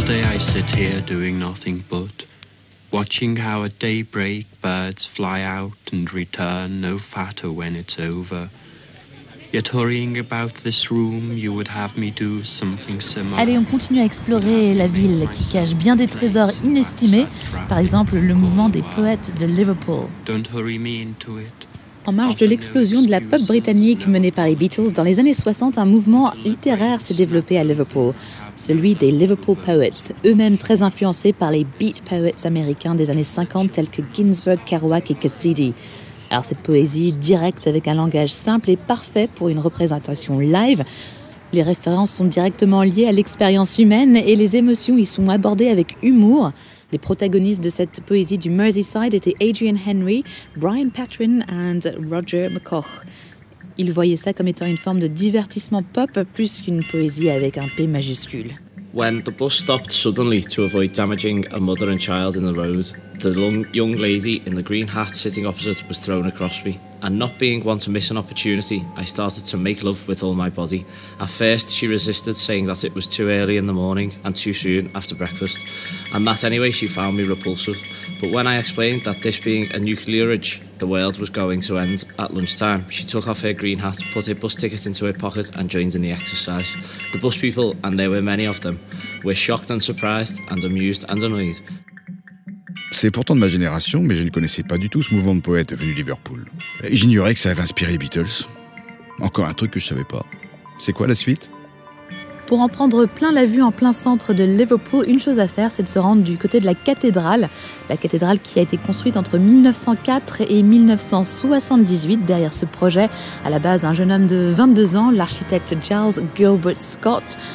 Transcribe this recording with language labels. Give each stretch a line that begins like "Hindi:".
English: I sit here doing nothing but watching how at daybreak birds fly out and return no fatter when it's over. Yet hurrying about this room, you would have me do something similar.
French: Allez, on continue à explorer la ville qui cache bien des trésors inestimés, par exemple le mouvement des poètes de Liverpool.
English: Don't hurry me into it.
French: En marge de l'explosion de la pop britannique menée par les Beatles, dans les années 60, un mouvement littéraire s'est développé à Liverpool, celui des Liverpool Poets, eux-mêmes très influencés par les Beat Poets américains des années 50 tels que Ginsberg, Kerouac et Cassidy. Alors cette poésie directe avec un langage simple et parfait pour une représentation live. Les références sont directement liées à l'expérience humaine et les émotions y sont abordées avec humour. Les protagonistes de cette poésie du Merseyside étaient Adrian Henry, Brian Patron et Roger McCoch. Ils voyaient ça comme étant une forme de divertissement pop plus qu'une poésie avec un P majuscule.
English: When the bus stopped suddenly to avoid damaging a mother and child in the road, the young lady in the green hat sitting opposite was thrown across me. And not being one to miss an opportunity, I started to make love with all my body. At first, she resisted, saying that it was too early in the morning and too soon after breakfast, and that anyway she found me repulsive. But when I explained that this being a nuclear ridge, the world was going to end at lunchtime, she took off her green hat, put her bus ticket into her pocket and joined in the exercise. The bus people, and there were many of them, were shocked and surprised and amused and annoyed.
French: C'est pourtant de ma génération, mais je ne connaissais pas du tout ce mouvement de poètes venu de Liverpool. J'ignorais que ça avait inspiré les Beatles. Encore un truc que je ne savais pas. C'est quoi la suite ? Pour en prendre plein la vue en plein centre de Liverpool, une chose à faire, c'est de se rendre du côté de la cathédrale qui a été construite entre 1904 et 1978, derrière ce projet, à la base un jeune homme de 22 ans, l'architecte Charles Gilbert Scott.